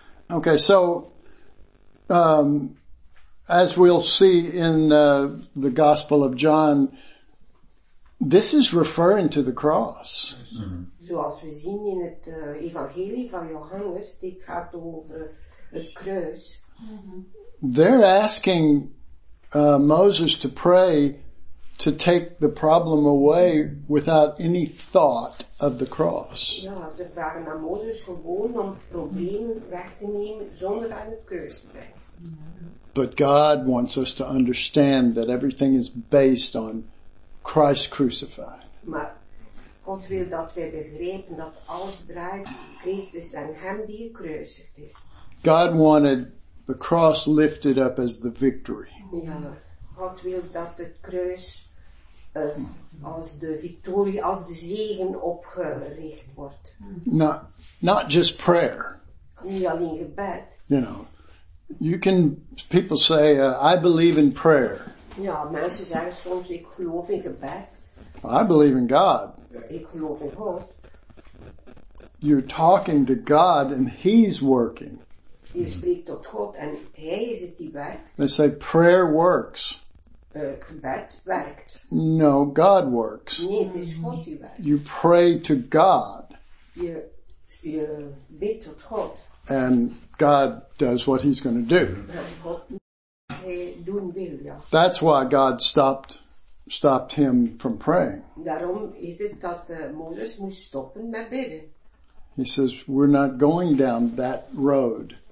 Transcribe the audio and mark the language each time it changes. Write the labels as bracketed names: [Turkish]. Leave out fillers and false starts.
[English] Okay, so as we'll see in the Gospel of John, this is referring to the cross. [Dutch] Zoals we zien in het evangelie van Johannes, dit gaat over het kruis. [English] They're asking Moses to pray to take the problem away without any thought of the cross. [Dutch] Ja, ze vragen aan Moses gewoon om het probleem weg te nemen zonder aan het kruis te denken. [English] But God wants us to understand that everything is based on Christ crucified. [Dutch] Maar God wil dat wij begrijpen dat alles draait Christus en hem die gekruisigd is. [English] God wanted the cross lifted up as the victory. [Dutch] Ja, God wil dat het kruis als de victorie, als de zegen opgericht wordt. [English] Not just prayer. [Dutch] Niet alleen gebed. [English] You know. People say, I believe in prayer. [Dutch] Ja, mensen zeggen soms, ik geloof in gebed. [English] I believe in God. [Dutch] Ik geloof in God. [English] You're talking to God and he's working. [Dutch] Je spreekt tot God en hij is het die werkt. [English] They say prayer works. [Dutch] Gebed werkt. [English] No, God works. [Dutch] Nee, het is God die werkt. [English] You pray to God. [Dutch] Je bid tot God. [English] And God does what he's going to do. That's why God stopped him from praying. [Dutch] Daarom is het dat Moses moest stoppen met bidden. [English] He says, we're not going down that road.